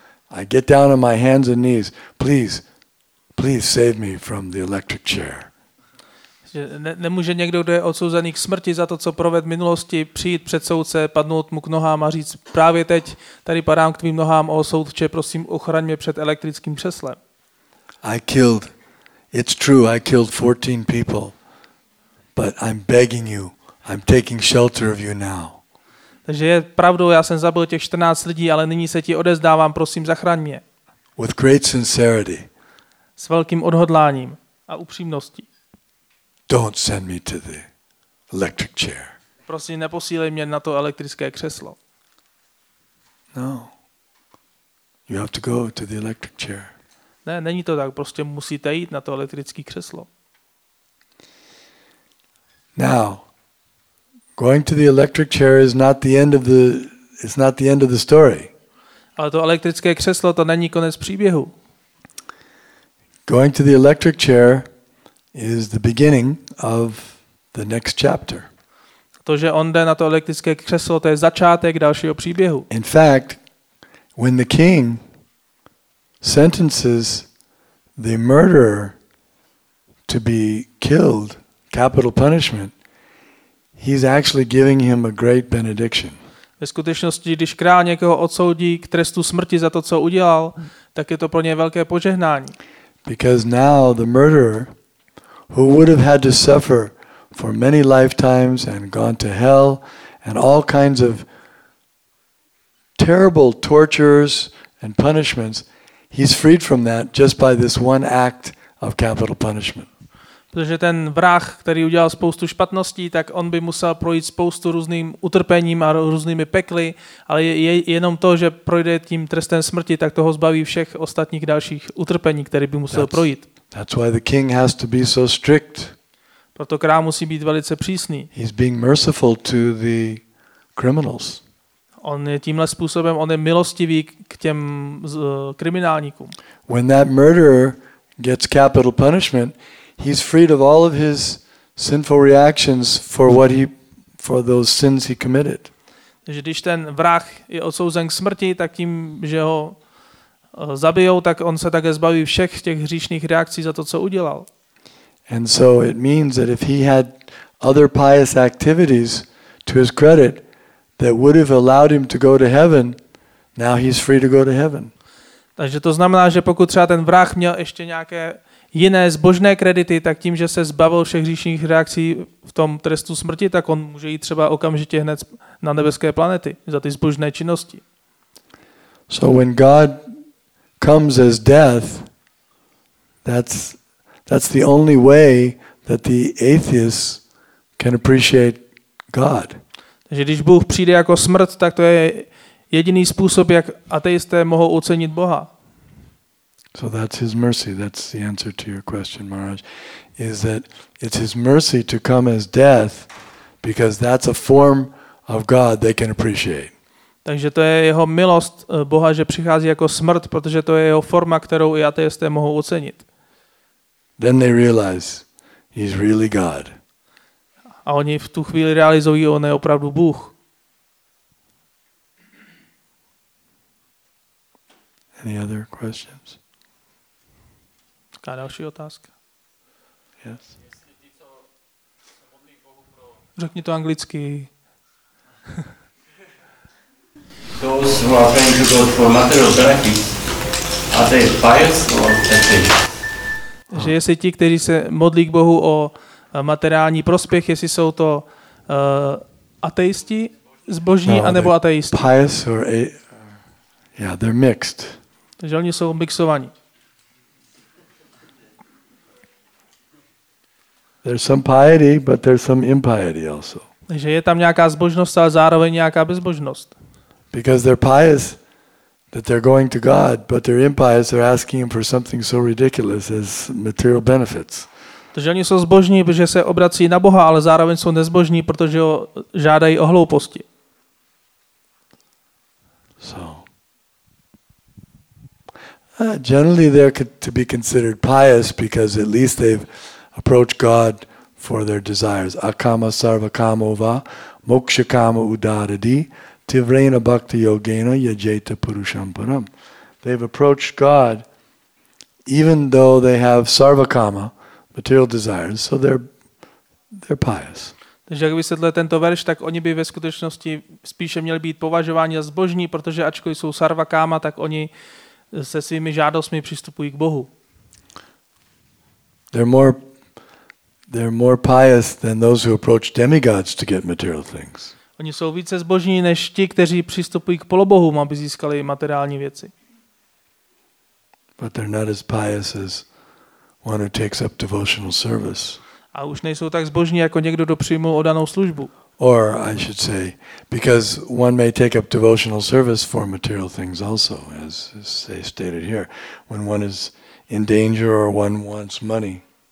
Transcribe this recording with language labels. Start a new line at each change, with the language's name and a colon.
English: I get down on my hands and knees. Please, please save me from the electric chair.
Czech: Nemůže někdo, kdo je odsouzený k smrti za to, co proved v minulosti, přijít před soudce, padnout mu k nohám a říct, právě teď tady padám k tvým nohám, o soudče, prosím, ochraň mě před elektrickým křeslem.
English: I killed, it's true, I killed 14 people, but I'm begging you, I'm taking shelter of you now.
Czech: Takže je pravdou, já jsem zabil těch 14 lidí, ale nyní se ti odezdávám, prosím, zachraň mě.
English: With great sincerity.
Czech: S velkým odhodláním a upřímností.
English: Don't send me to the electric chair.
Czech: Prosím, neposílej mě na to elektrické křeslo.
English: No. You have to go to the electric chair.
Czech: Ne, není to tak, prostě musíte jít na to elektrické křeslo.
English: Now. Going to the electric chair is not the end of the story.
Czech: Ale to elektrické křeslo, to není konec příběhu.
English: Going to the electric chair is the beginning of the next chapter.
Czech: to, že on jde na to elektrické křeslo, to je začátek dalšího příběhu.
English: In fact, when the king sentences the murderer to be killed, capital punishment, he's actually giving him a great benediction.
Czech: Ve skutečnosti, když král někoho odsoudí k trestu smrti za to, co udělal, tak je to pro něj velké požehnání.
English: Because now the murderer, who would have had to suffer for many lifetimes and gone to hell and all kinds of terrible tortures and punishments, he's freed from that just by this one act of capital punishment.
Czech: Protože ten vrah, který udělal spoustu špatností, tak on by musel projít spoustu různým utrpením a různými pekly, ale je jenom to, že projde tím trestem smrti, tak toho zbaví všech ostatních dalších utrpení, které by musel projít.
English: That's why the king has to be so strict.
Czech: Proto král musí být velice přísný.
English: He's being merciful to the criminals.
Czech: On je tímhle způsobem, on je milostivý k těm kriminálníkům.
English: When that murderer gets capital punishment, he's freed of all of his sinful reactions for those sins he committed.
Czech: Takže když ten vrah je odsouzen k smrti, tak tím, že ho zabijou, tak on se také zbaví všech těch hříšných reakcí za to, co udělal.
English: And so it means that if he had other pious activities to his credit that would have allowed him to go to heaven, now he's free to go to heaven.
Czech: Takže to znamená, že pokud třeba ten vrah měl ještě nějaké jiné zbožné kredity, tak tím, že se zbavil všech hříšných reakcí v tom trestu smrti, tak on může jít třeba okamžitě hned na nebeské planety za ty zbožné činnosti.
English: So when God comes as death, that's the only way that the atheist can appreciate God.
Czech: Takže když Bůh přijde jako smrt, tak to je jediný způsob, jak ateisté mohou ocenit Boha.
English: So that's his mercy. That's the answer to your question, Maharaj, is that it's his mercy to come as death because that's a form of God they can appreciate.
Czech: Takže to je jeho milost Boha, že přichází jako smrt, protože to je jeho forma, kterou i ateisté mohou ocenit.
English: Then they realize he's really God.
Czech: A oni v tu chvíli realizují, on je opravdu Bůh.
English: Any other questions?
Czech: Taká další otázka.
English: Yes.
Czech: Řekni to anglicky.
English: Those who are praying to God for material benefits, are they pious or atheist?
Czech: Že jestli ti, kteří se modlí k Bohu o materiální prospěch, jestli jsou to ateisti, zboží, no, anebo ateisti.
English: Pious or they're mixed.
Czech: Takže oni jsou mixovaní.
English: There's some piety, but there's some impiety also.
Czech: Takže je tam nějaká zbožnost, ale zároveň nějaká bezbožnost.
English: Because they're pious that they're going to God, but they're impious they're asking him for something so ridiculous as material benefits.
Czech: Takže oni jsou zbožní, protože se obrací na Boha, ale zároveň jsou nezbožní, protože ho žádají o hlouposti.
English: So. Generally they're to be considered pious because at least they've approach God for their desires.
Sanskrit: Akama sarva kamova moksha kama udaradi tivrena bhakti yogena yajeta purusham param.
English: They've approached God even though they have sarva kama, material desires, so they're pious.
Czech: Takže jak vysvětlil tento verš, tak oni by ve skutečnosti spíše měli být považováni za zbožní, protože ačkoliv jsou sarva kama, tak oni se svými žádostmi přistupují k Bohu.
English: They're more pious than those who approach demigods to get material things.
Czech: Oni jsou více zbožní než ti, kteří přistupují k polobohům, aby získali materiální věci.
English: But they're not as pious as one who takes up devotional service.
Czech: A už nejsou tak zbožní jako někdo, kdo přijmul odanou službu.
English: Or I should say, because one may take up devotional service for material things also, as they stated here, when one is in danger or one wants money.